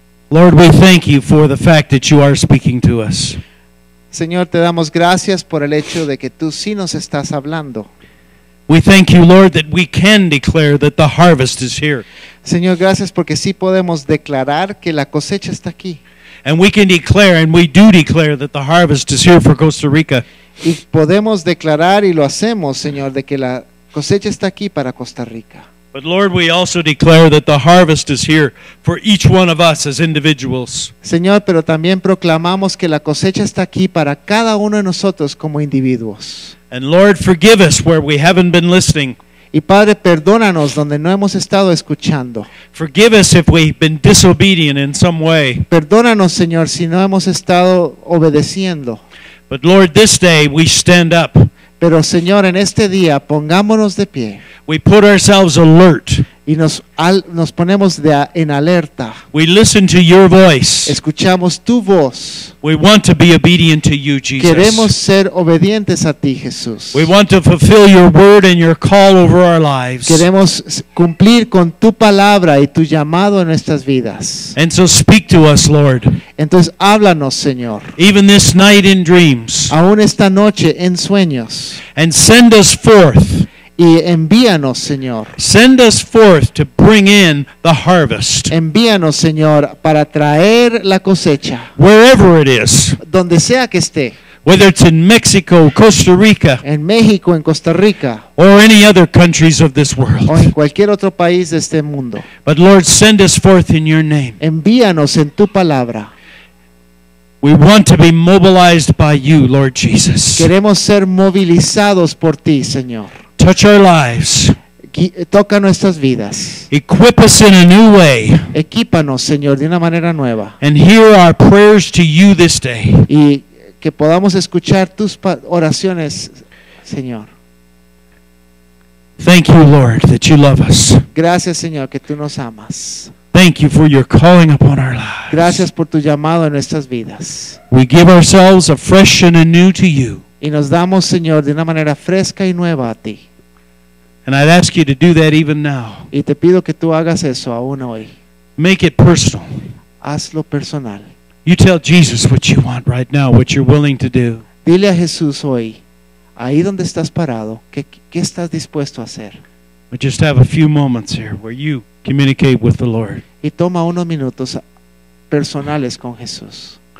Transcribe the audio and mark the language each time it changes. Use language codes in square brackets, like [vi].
[en] Lord, we thank you for the fact that you are speaking to us. [es] Señor, te damos gracias por el hecho de que tú sí nos estás hablando. [en] We thank you, Lord, that we can declare that the harvest is here. [es] Señor, gracias porque sí podemos declarar que la cosecha está aquí. [en] And we can declare, and we do declare, that the harvest is here for Costa Rica. [es] Y podemos declarar, y lo hacemos, Señor, de que la cosecha está aquí para Costa Rica. [en] But Lord, we also declare that the harvest is here for each one of us as individuals. [es] Señor, pero también proclamamos que la cosecha está aquí para cada uno de nosotros como individuos. [en] And Lord, forgive us where we haven't been listening. [es] Y Padre, perdónanos donde no hemos estado escuchando. [en] Forgive us if we've been disobedient in some way. [es] Perdónanos, Señor, si no hemos estado obedeciendo. [en] But Lord, this day we stand up. [es] Pero Señor, en este día pongámonos de pie. [en] We put ourselves alert. [es] Y nos ponemos en alerta. [en] We listen to your voice. [es] Escuchamos tu voz. [en] We want to be obedient to you, Jesus. [es] Queremos ser obedientes a ti, Jesús. [en] We want to fulfill your word and your call over our lives. [es] Queremos cumplir con tu palabra y tu llamado en nuestras vidas. [en] And so speak to us, Lord. [es] Entonces háblanos, Señor. [en] Even this night in dreams. [es] Aún esta noche en sueños. [en] And send us forth. [es] Y envíanos, Señor. [en] Send us forth to bring in the harvest. [es] Envíanos, Señor, para traer la cosecha. [en] Wherever it is. [es] Donde sea que esté. [en] Whether it's in Mexico, Costa Rica. [es] En México, en Costa Rica. [en] Or any other countries of this world. [es] O en cualquier otro país de este mundo. [en] But Lord, send us forth in your name. [es] Envíanos en tu palabra. [en] We want to be mobilized by you, Lord Jesus. [es] Queremos ser movilizados por ti, Señor. [en] Touch our lives. [es] Toca nuestras vidas. [en] Equip us in a new way. [es] Equípanos, Señor, de una manera nueva. [en] And hear our prayers to you this day. [es] Y que podamos escuchar tus oraciones, Señor. [en] Thank you, Lord, that you love us. [es] Gracias, Señor, que tú nos amas. [en] Thank you for your calling upon our lives. [es] Gracias por tu llamado en nuestras vidas. [en] We give ourselves afresh and anew to you. [es] Y nos damos, Señor, de una manera fresca y nueva a ti. [en] And I'd ask you to do that even now. [es] Y te pido que tú hagas eso aún hoy. [en] Make it personal. [es] Hazlo personal. [en] You tell Jesus what you want right now, what you're willing to do. [es] Dile a Jesús hoy, ahí donde estás parado, ¿qué estás dispuesto a hacer? [en] We just have a few moments here where you communicate with the Lord. [es] Y toma unos minutos personales con Jesús.